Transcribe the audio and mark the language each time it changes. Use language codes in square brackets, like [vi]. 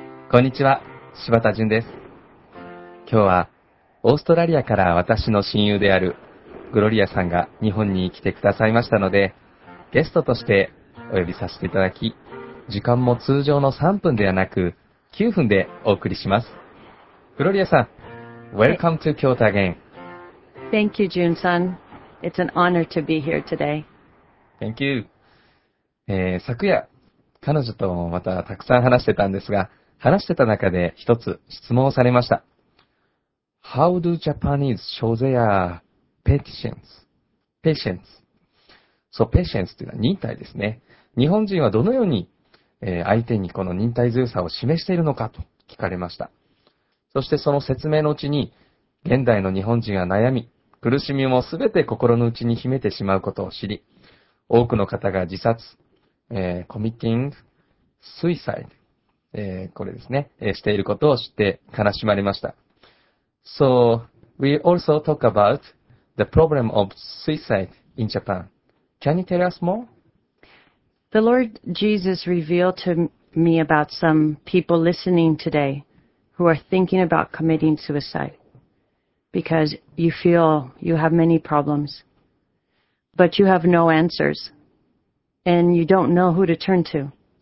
[ja] こんにちは、柴田純です。今日はオーストラリアから私の親友であるグロリアさんが日本に来てくださいましたので、ゲストとしてお呼びさせていただき、時間も通常の3分ではなく9分でお送りします。 [en] グロリアさん、 Welcome to 京都 again。 Thank you, June さん。 It's an honor to be here today. Thank you。 [ja] 昨夜彼女ともまたたくさん話してたんですが、話してた中で一つ質問をされました。 [en] How do Japanese show their patience? So patience [ja] というのは忍耐ですね。日本人はどのように相手にこの忍耐強さを示しているのかと聞かれました。そしてその説明のうちに、現代の日本人は悩み、苦しみもすべて心の内に秘めてしまうことを知り、多くの方が自殺、 [en] committing suicide、 [ja] これですね、していることを知って悲しまれました。 [en] So, we also talk about the problem of suicide in Japan. Can you tell us more? The Lord Jesus revealed to me about some people listening today who are thinking about committing suicide because you feel you have many problems, but you have no answers and you don't know who to turn to.